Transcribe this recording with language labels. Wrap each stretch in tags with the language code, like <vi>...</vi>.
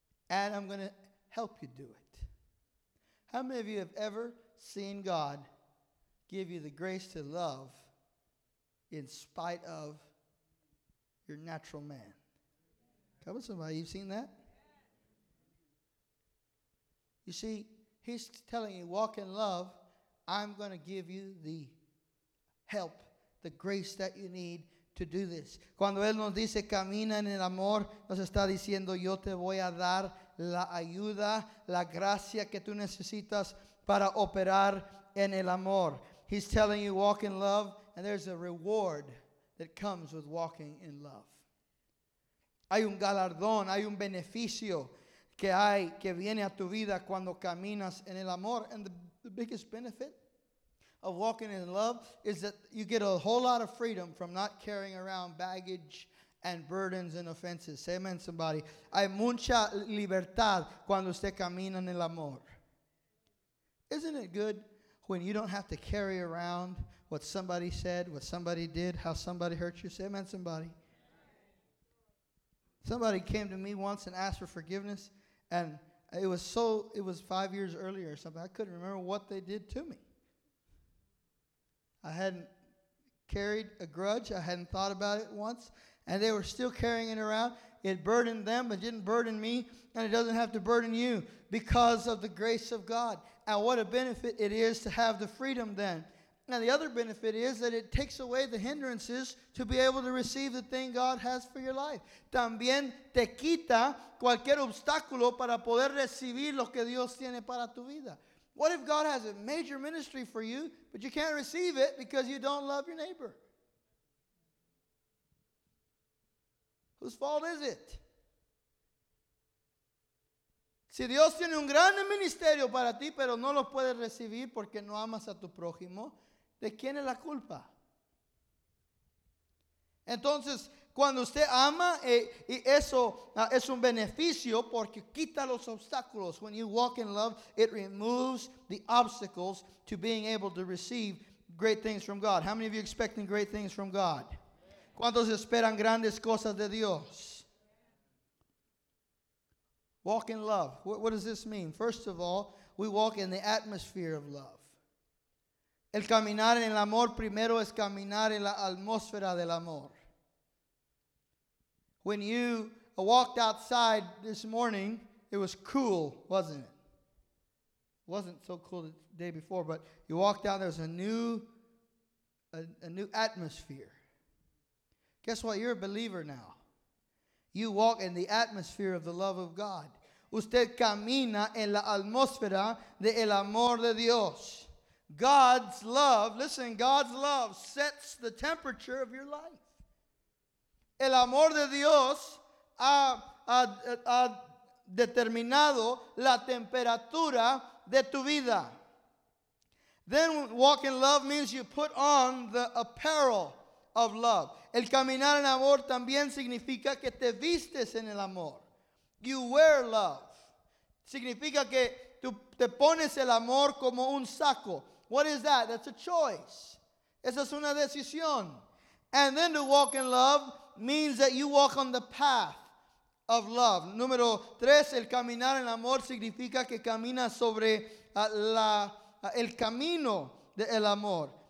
<en>And I'm going to help you do it. How many of you have ever seen God give you the grace to love in spite of your natural man? Come on, somebody, you've seen that? You see, he's telling you, walk in love. I'm going to give you the help, the grace that you need to do this.</en> <es>Cuando él nos dice, camina en el amor, nos está diciendo, yo te voy a dar la ayuda, la gracia que tú necesitas para operar en el amor.</es> <en>He's telling you, walk in love, and there's a reward that comes with walking in love.</en> <es>Hay un galardón, hay un beneficio que hay, que viene a tu vida cuando caminas en el amor.</es> <en>And the biggest benefit of walking in love is that you get a whole lot of freedom from not carrying around baggage and burdens and offenses. Say amen, somebody.</en> <es>Hay mucha libertad cuando usted camina en el amor.</es> <en>Isn't it good when you don't have to carry around what somebody said, what somebody did, how somebody hurt you? Say amen, somebody. Somebody came to me once and asked for forgiveness, and it was 5 years earlier or something. I couldn't remember what they did to me. I hadn't carried a grudge. I hadn't thought about it once. And they were still carrying it around. It burdened them, but didn't burden me. And it doesn't have to burden you because of the grace of God. And what a benefit it is to have the freedom then. Now the other benefit is that it takes away the hindrances to be able to receive the thing God has for your life.</en> <es>También te quita cualquier obstáculo para poder recibir lo que Dios tiene para tu vida.</es> <en>What if God has a major ministry for you, but you can't receive it because you don't love your neighbor? Whose fault is it?</en> <es>Si Dios tiene un gran ministerio para ti, pero no lo puedes recibir porque no amas a tu prójimo, ¿de quién es la culpa? Entonces, Cuando usted ama, y eso es un beneficio porque quita los obstáculos.</es> <en>When you walk in love, it removes the obstacles to being able to receive great things from God. How many of you expecting great things from God?</en> <es>¿Cuántos esperan grandes cosas de Dios?</es> <en>Walk in love. What does this mean? First of all, we walk in the atmosphere of love.</en> <es>El caminar en el amor primero es caminar en la atmósfera del amor.</es> <en>When you walked outside this morning, it was cool, wasn't it? It wasn't so cool the day before, but you walked out, there's a new atmosphere. Guess what? You're a believer now. You walk in the atmosphere of the love of God.</en> <es>Usted camina en la atmósfera del amor de Dios.</es> <en>God's love, listen, God's love sets the temperature of your life.</en> <es>El amor de Dios ha determinado la temperatura de tu vida.</es> <en>Then walk in love means you put on the apparel of love.</en> <es>El caminar en amor también significa que te vistes en el amor.</es> <en>You wear love.</en> <es>Significa que tú te pones el amor como un saco.</es> <en>What is that? That's a choice.</en> <es>Esa es una decisión.</es> <en>And then to walk in love means that you walk on the path of love.</en> <es>Número tres, el caminar en amor significa que caminas sobre el camino del amor.</es>